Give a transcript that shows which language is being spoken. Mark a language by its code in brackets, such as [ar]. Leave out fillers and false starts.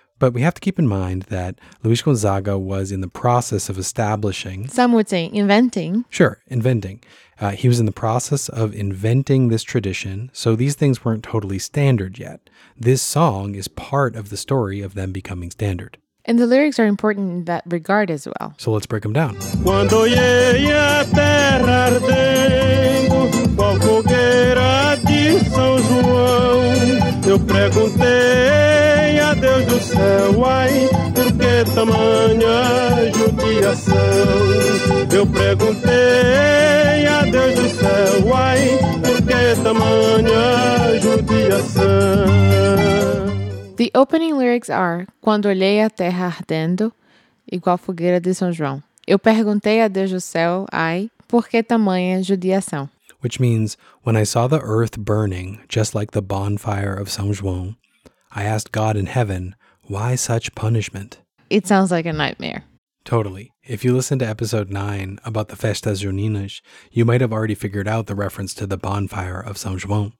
[en] But we have to keep in mind that Luis Gonzaga was in the process of establishing... Some would say inventing. Sure, inventing. He was in the process of inventing this tradition, so these things weren't totally standard yet. This song is part of the story of them becoming standard. And the lyrics are important in that regard as well. So let's break them down. [pt] Cuando llegue a terra ardengo, qual fogueira de São João, eu perguntei a Deus do céu, ai, por que tamanha judiação? Eu perguntei a Deus do céu, ai, por que tamanha judiação? [en] The opening lyrics are [pt] Quando olhei a terra ardendo, igual fogueira de São João. Eu perguntei a Deus do céu, ai, por que tamanha judiação? [en] Which means, when I saw the earth burning, just like the bonfire of São João, I asked God in heaven, why such punishment? It sounds like a nightmare. Totally. If you listen to episode 9 about the Festas Juninas, you might have already figured out the reference to the bonfire of São João.